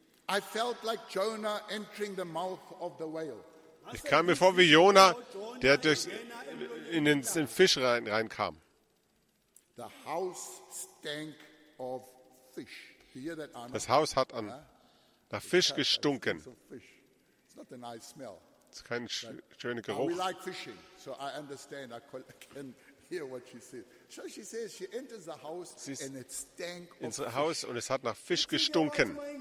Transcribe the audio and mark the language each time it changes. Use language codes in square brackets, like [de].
[en] I felt like Jonah entering the mouth of the whale. [de] Ich kam mir vor wie Jonah, der durch in den Fisch reinkam. [en] The house stank of fish. [de] Das Haus hat an nach Fisch gestunken. [en] It's not a nice smell. [de] Es ist kein schöner Geruch. [en] We like fishing, so I understand. I can hear what she says. So she says she enters the house and it stank of fish. [de] Ins Haus und es hat nach Fisch gestunken.